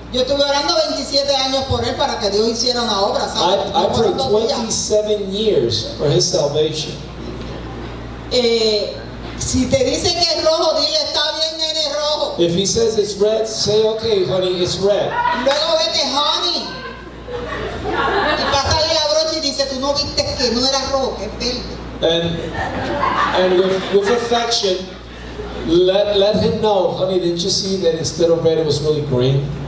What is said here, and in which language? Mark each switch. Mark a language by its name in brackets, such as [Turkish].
[Spanish] Yo estuve orando 27 años por él para que Dios hiciera una obra, ¿sabes? [English] I prayed 27 years for his salvation. [Spanish] Si te dice que es rojo, dile está bien, nene, rojo. [English] If he says it's red, say okay, honey, it's red. [Spanish] Luego vete, honey. Y pasa ahí la brocha y dice, tú no viste que no era rojo, que es verde. [English] And with affection, let him know, honey, didn't you see that instead of red it was really green?